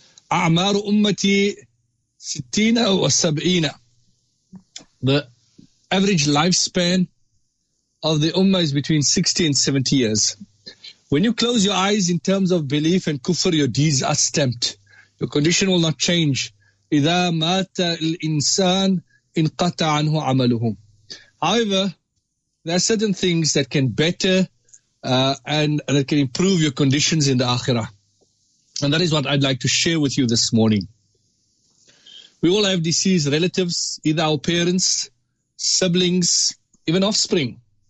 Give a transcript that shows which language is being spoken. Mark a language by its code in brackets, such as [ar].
[ar] A'maru ummati sittina wa sab'ina. [en] The average lifespan of the ummah is between 60 and 70 years. When you close your eyes in terms of belief and kufr, your deeds are stamped. Your condition will not change. [ar] إِذَا مَاتَ الْإِنسَانِ إِنْقَطَ عَنْهُ عَمَلُهُ. [en] However, there are certain things that can better and that can improve your conditions in the Akhirah. And that is what I'd like to share with you this morning. We all have deceased relatives, either our parents, siblings, even offspring.